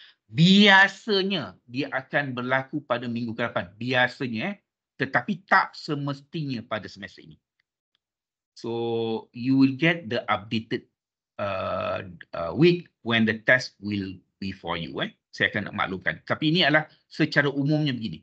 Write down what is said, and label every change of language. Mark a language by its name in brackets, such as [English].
[Malay] Biasanya dia akan berlaku pada minggu ke depan. Biasanya tetapi tak semestinya pada semester ini. [English] So you will get the updated week when the test will be for you. [Malay] Saya akan maklumkan. Tapi ini adalah secara umumnya begini.